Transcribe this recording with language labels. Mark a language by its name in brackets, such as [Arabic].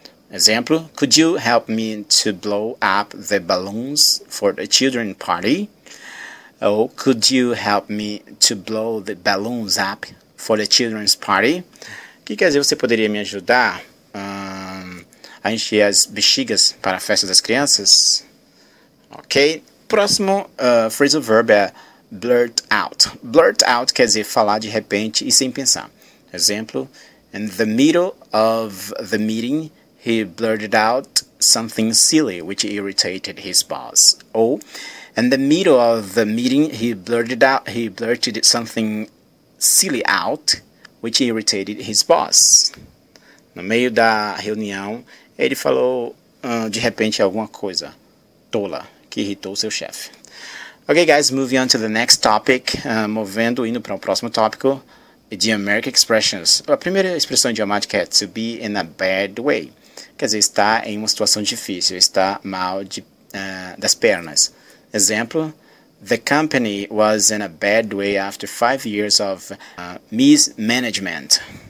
[English] Exemplo, could you help me to blow up the balloons for the children party? Ou, could you help me to blow the balloons up for the children's party? [Portuguese] O que quer dizer, você poderia me ajudar a encher as bexigas para a festa das crianças? Ok, próximo phrasal verb é blurt out. Blurt out quer dizer falar de repente e sem pensar. [English] Exemplo, in the middle of the meeting, he blurted out something silly, which irritated his boss. Ou, In the middle of the meeting, he blurted something silly out, which irritated his boss. [Portuguese] No meio da reunião, ele falou de repente alguma coisa tola que irritou seu chefe. [English] Okay, guys, moving on to the next topic. [Portuguese] Movendo, indo para o próximo tópico. [English] Idiomatic expressions. [Portuguese] A primeira expressão idiomática é to be in a bad way. Quer dizer, está em uma situação difícil, está mal das pernas. [English] Exemplo: The company was in a bad way after 5 years of mismanagement.